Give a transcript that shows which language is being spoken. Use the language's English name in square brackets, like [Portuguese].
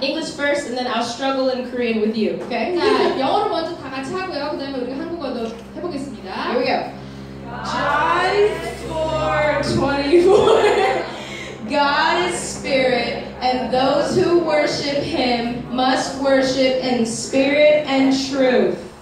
[English] English first, and then I'll struggle in Korean with you, okay? [Korean] 자, 영어로 먼저 다 같이 하고요. 그 다음에 우리 한국어도 해보겠습니다. [English] Here we go. John 4:24 God is spirit, and those who worship him must worship in spirit and truth.